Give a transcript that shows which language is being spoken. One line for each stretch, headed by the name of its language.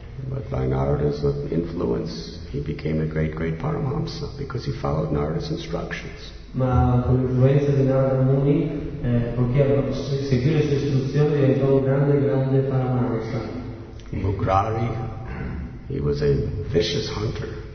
English: But by Narada's influence, he became a great, great Paramahamsa because he followed Narada's instructions.
Italian: Ma con l'influenza di Narada Muni, poiché seguì le sue istruzioni, diventò un grande, grande Paramahamsa.
English: Mugrari, he was a vicious hunter.